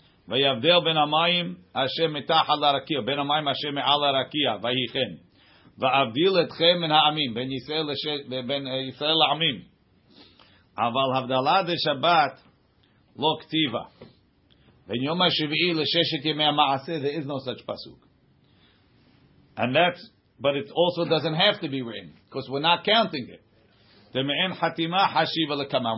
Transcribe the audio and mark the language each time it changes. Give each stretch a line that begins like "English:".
Hebrew: ויבדל בין המים אשר מתחת לרקיע, בין המים אשר מעל הרקיע, ויהי כן. ואבדיל אתכם מן העמים, בין ישראל, בין ישראל לעמים. אבל הבדלה דשבת לא כתיבה. בין יום השביעי לששת ימי המעשה,
English: there is no such
Hebrew: פסוק.
English: And that's, but it also doesn't have to be written, because we're not counting it.
Hebrew: זה מעין חתימה חשיבה לכמם.